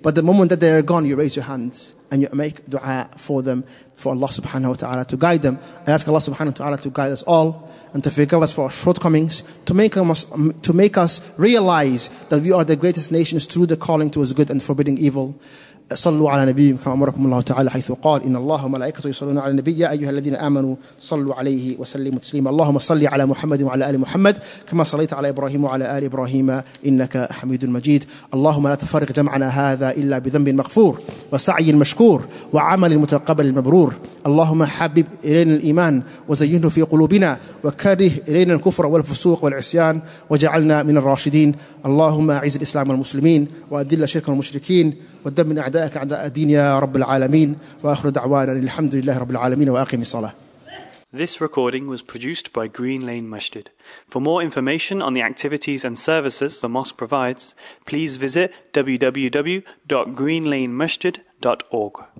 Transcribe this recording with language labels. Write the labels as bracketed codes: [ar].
[en] But the moment that they are gone, you raise your hands and you make dua for them, for Allah subhanahu wa ta'ala to guide them. I ask Allah subhanahu wa ta'ala to guide us all and to forgive us for our shortcomings, to make us realize that we are the greatest nations through the calling towards good and forbidding evil. [ar] صلوا على نبيكم كما أمركم الله تعالى حيث قال إن الله وملائكته يصلون على النبي يا أيها الذين آمنوا صلوا عليه وسلموا تسليما اللهم صل على محمد وعلى آل محمد كما صليت على إبراهيم وعلى آل إبراهيم إنك حميد مجيد اللهم لا تفرق جمعنا هذا إلا بذنب مغفور وسعي مشكور وعمل متقبل المبرور اللهم حبب إلينا الإيمان وزينه في قلوبنا وكره إلينا الكفر والفسوق والعصيان وجعلنا من الراشدين اللهم أعز الإسلام والمسلمين وأذل الشرك والمشركين ودم من أعدائك أعداء الدين يا رب العالمين وآخر دعوانا الحمد لله رب العالمين وأقم الصلاة. [en] This recording was produced by Green Lane Masjid. For more information on the activities and services the mosque provides, please visit www.greenlanemasjid.org.